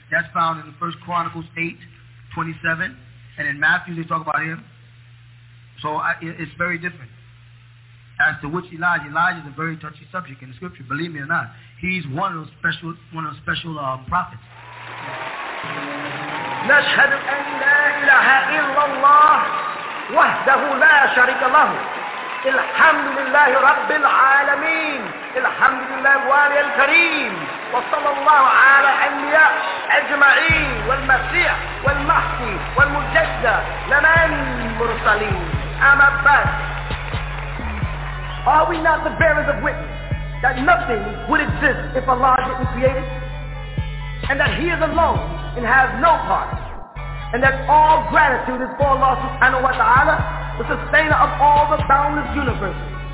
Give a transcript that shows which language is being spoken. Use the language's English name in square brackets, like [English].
[English] That's found in the First Chronicles 8:27. And in Matthew, they talk about him. So it's very different. As to which Elijah is a very touchy subject in the scripture. Believe me or not, he's one of those special prophets. [Arabic] نشهد أن لا إله إلا الله وحده لا شريك له الحمد لله رب العالمين الحمد لله الوالي الكريم وصلى الله على الأنبياء أجمعين والمسيح والمحكي والمجدد لمن مرسلين أما بعد. [English] Are we not the bearers of witness that nothing would exist if Allah didn't create it? And that He is alone and has no part? And that all gratitude is for Allah subhanahu wa ta'ala, the sustainer of all the boundless universes.